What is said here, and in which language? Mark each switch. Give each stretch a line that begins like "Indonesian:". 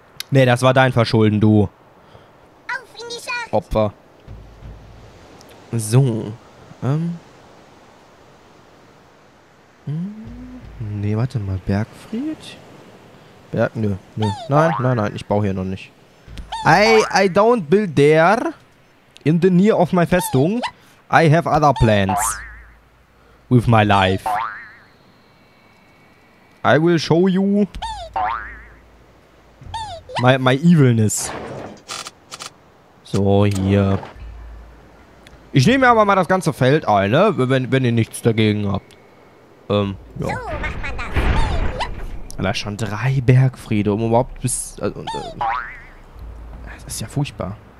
German: Nee, das war dein Verschulden, du. Auf in die Schacht! Opfer. So, nee, warte mal, Bergfried? Berg, nö. Nein, ich baue hier noch nicht.
English: I don't build there in the near of my Festung. I have other plans with my life. I will show you my evilness.
German: So, hier. Ich nehme aber mal das ganze Feld ein, ne? Wenn ihr nichts dagegen habt. Ja. So macht man das. Da schon drei Bergfriede, um überhaupt bis. Das ist ja furchtbar.